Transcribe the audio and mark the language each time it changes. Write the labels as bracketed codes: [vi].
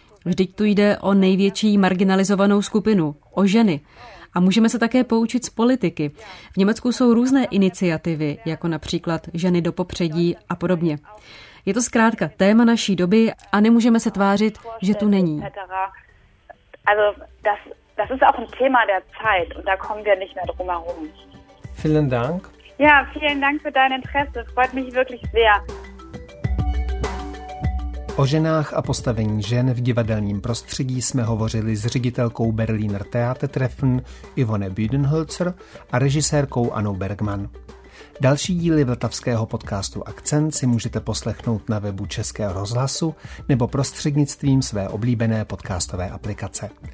[cs] Vždyť tu jde o největší marginalizovanou skupinu, o ženy. A můžeme se také poučit z politiky. V Německu jsou různé iniciativy, jako například ženy do popředí a podobně. Je to zkrátka téma naší doby a nemůžeme se tvářit, že tu není. [de] Also das ist auch ein Thema der Zeit und da kommen wir nicht mehr drum herum. Vielen Dank. Ja, vielen Dank für dein Interesse. Freut mich wirklich sehr. [cs] O ženách a postavení žen v divadelním prostředí jsme hovořili s ředitelkou Berliner Theatertreffen Ivone Budenholzer a režisérkou Annou Bergmann. Další díly vltavského podcastu Akcent si můžete poslechnout na webu Českého rozhlasu nebo prostřednictvím své oblíbené podcastové aplikace.